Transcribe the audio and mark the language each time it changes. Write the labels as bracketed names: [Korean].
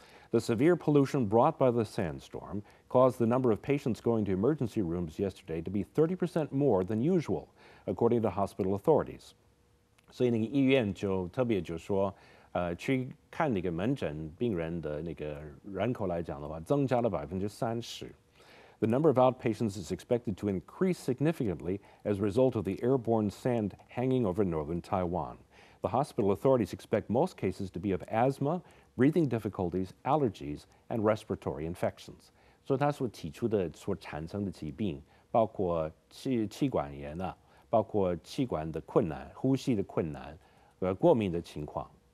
[English] The severe pollution brought by the sandstorm caused the number of patients going to emergency rooms yesterday to be 30% more than usual, according to hospital authorities. [Chinese] 所以那个医院就特别就说，去看那个门诊病人的那个人口来讲的话，增加了 30%。 [English] The number of outpatients is expected to increase significantly as a result of the airborne sand hanging over northern Taiwan. The hospital authorities expect most cases to be of asthma, breathing difficulties, allergies, and respiratory infections. [Chinese] 所以他所提出的所产生的疾病，包括气管炎啊，包括气管的困难、呼吸的困难、过敏的情况。